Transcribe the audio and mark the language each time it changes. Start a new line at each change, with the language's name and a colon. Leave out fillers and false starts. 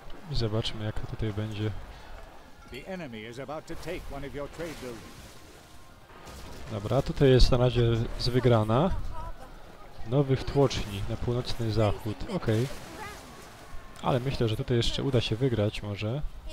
Polish: I zobaczmy, jak to tutaj będzie.
English: The enemy is about to take one of your trade buildings.
Polish: Dobra, tutaj jest na razie z wygrana. Nowych tłoczni na północny zachód. Okej. Ale myślę, że tutaj jeszcze uda się wygrać może.